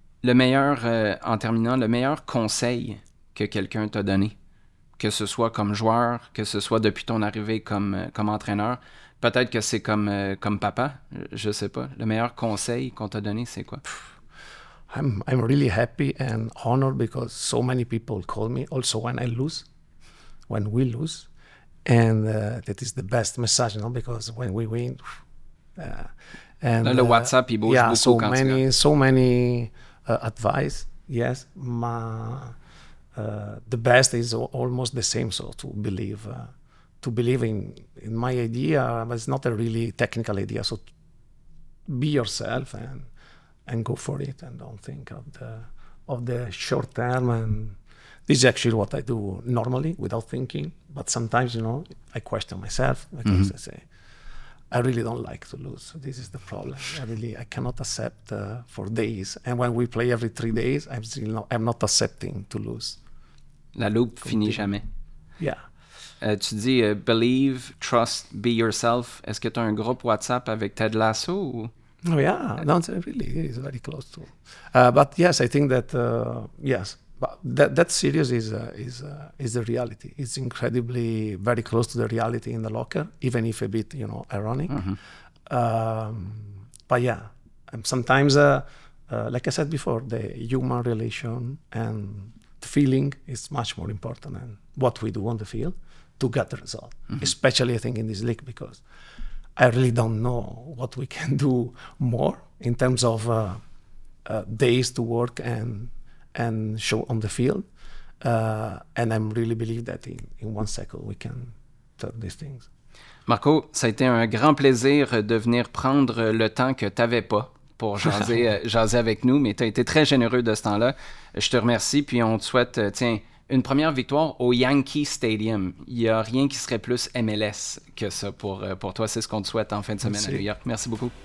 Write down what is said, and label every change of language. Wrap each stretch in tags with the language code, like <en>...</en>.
<fr>Le meilleur, en terminant, le meilleur conseil que quelqu'un t'a donné, que ce soit comme joueur, que ce soit depuis ton arrivée comme entraîneur, peut-être que c'est comme papa, je sais pas. Le meilleur conseil qu'on t'a donné, c'est quoi?</fr> <en>I'm really happy and honored because so many people call me also when we lose. And that is the best message, no? Because when we win, and the WhatsApp, he yeah, so many advice, yes, ma the best is almost the same. So to believe in my idea, but it's not a really technical idea. So be yourself and go for it, and don't think of the short term. And this is actually what I do normally without thinking. But sometimes, you know, I question myself because I say, I really don't like to lose. This is the problem. I cannot accept for days. And when we play every 3 days, I'm not accepting to lose.</en> <fr>La loupe finit jamais.</fr> <en>Yeah.</en> <fr>Tu dis</fr> <en>believe, trust, be yourself.</en> <fr>Est-ce que tu as un groupe WhatsApp avec Ted Lasso? Ou...</fr> <en>Oh yeah, not really. It's very close to. But yes, I think that yes, but that series is the reality. It's incredibly very close to the reality in the locker, even if a bit, you know, ironic. Mm-hmm. But yeah, and sometimes, like I said before, the human relation and the feeling is much more important than what we do on the field to get the result. Mm-hmm. Especially, I think, in this league, because I really don't know what we can do more in terms of days to work and show on the field. And I really believe that in 1 second we can turn these things.</en> <fr>Marco, ça a été un grand plaisir de venir prendre le temps que tu n'avais pas pour jaser avec nous, mais tu as été très généreux de ce temps-là. Je te remercie, puis on te souhaite, tiens, une première victoire au Yankee Stadium. Il n'y a rien qui serait plus MLS que ça pour toi. C'est ce qu'on te souhaite en fin de semaine. Merci. À New York. Merci beaucoup.</fr>